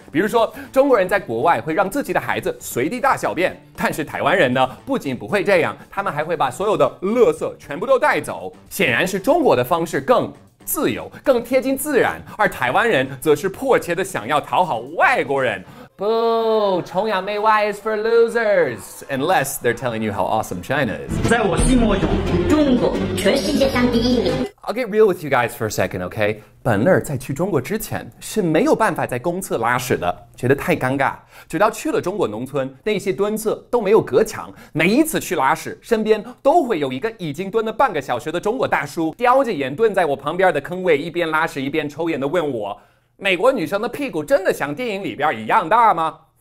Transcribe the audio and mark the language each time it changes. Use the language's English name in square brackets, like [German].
[Chinese] 比如说中国人在国外会让自己的孩子随地大小便，但是台湾人呢不仅不会这样，他们还会把所有的垃圾全部都带走，显然是中国的方式更自由更贴近自然，而台湾人则是迫切的想要讨好外国人。不，崇洋媚外 [English] is for losers, unless they're telling you how awesome China is. [Chinese] 在我心目中，中国全世界上第一名。 [English] I'll get real with you guys for a second, okay? [Chinese] 本儿在去中国之前是没有办法在公厕拉屎的，觉得太尴尬。直到去了中国农村，那些蹲厕都没有隔墙，每一次去拉屎，身边都会有一个已经蹲了半个小时的中国大叔，叼着烟蹲在我旁边的坑位，一边拉屎一边抽烟的问我，美国女生的屁股真的像电影里边一样大吗？